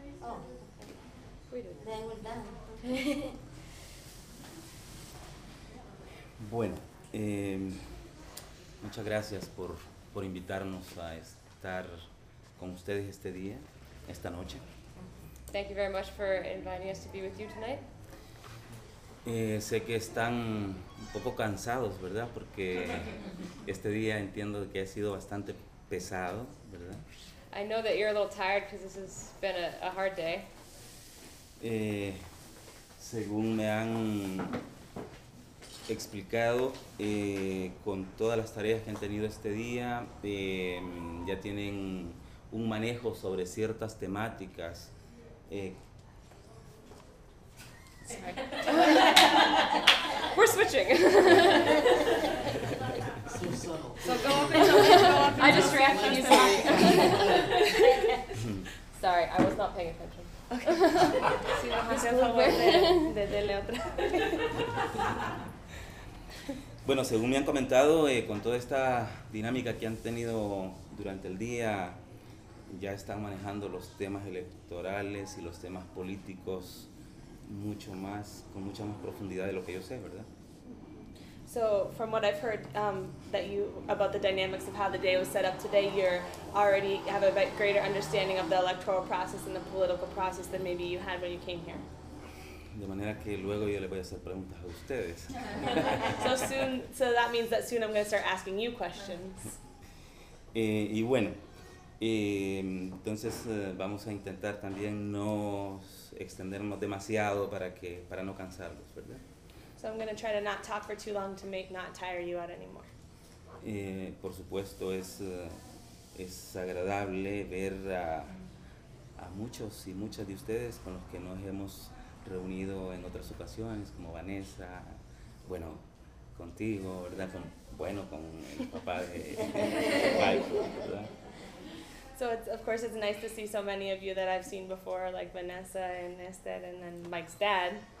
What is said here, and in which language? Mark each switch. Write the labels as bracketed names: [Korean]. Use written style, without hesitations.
[English] Oh. We did. Then we're done. [Spanish] Bueno, muchas gracias por invitarnos a estar con ustedes este día, esta noche. [English] Thank you very much for inviting us to be with you tonight. [Spanish] Sé que están un poco cansados, ¿verdad? Porque este día entiendo que ha sido bastante pesado, ¿verdad? [English] I know that you're a little tired because this has been a hard day. [Spanish] Según me han explicado, con todas las tareas que han tenido este día, ya tienen un manejo sobre ciertas temáticas. [English] We're switching. So go up and talk. I distracted you. Sorry. Sorry, I was not paying attention. [Spanish] Si vas a hacer el favor de darle otra. Bueno, según me han comentado, con toda esta dinámica que han tenido durante el día, ya están manejando los temas electorales y los temas políticos mucho más, con mucha más profundidad de lo que yo sé, ¿verdad? [English] So, from what I've heard about the dynamics of how the day was set up today, you're already have a bit greater understanding of the electoral process and the political process than maybe you had when you came here. [Spanish] De manera que luego yo le voy a hacer preguntas a ustedes. [English] So that means that soon I'm going to start asking you questions. [Spanish] Y bueno, entonces vamos a intentar también no extendernos demasiado para no cansarlos, ¿verdad? [English] So I'm going to try to not talk for too long to make not tire you out anymore. [Spanish] Por supuesto, es agradable ver a muchos y muchas de ustedes con los que nos hemos reunido en otras ocasiones, como Vanessa, bueno, contigo, ¿verdad? Con el papá de Michael, ¿verdad? [English] So, of course, it's nice to see so many of you that I've seen before, like Vanessa and Esther and then Mike's dad.